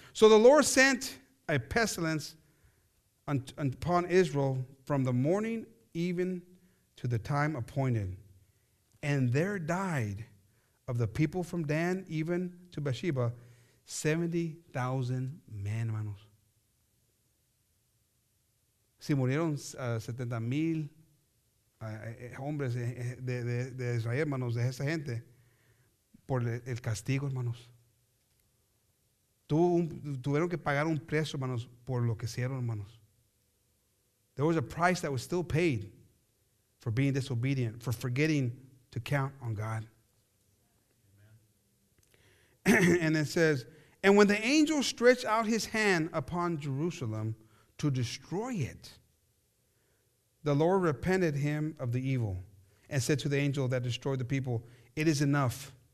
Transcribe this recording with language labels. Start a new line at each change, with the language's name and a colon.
English: So the Lord sent a pestilence upon Israel from the morning even to the time appointed, and there died of the people from Dan even to Beersheba, 70,000 men, hermanos.
Spanish: Si murieron 70,000 hombres de Israel, hermanos, de esa gente, por el castigo, hermanos. Tuvieron que pagar un precio, hermanos, por lo que hicieron, hermanos.
English: There was a price that was still paid for being disobedient, for forgetting to count on God. And it says, and when the angel stretched out his hand upon Jerusalem to destroy it, the Lord repented him of the evil and said to the angel that destroyed the people, it is enough.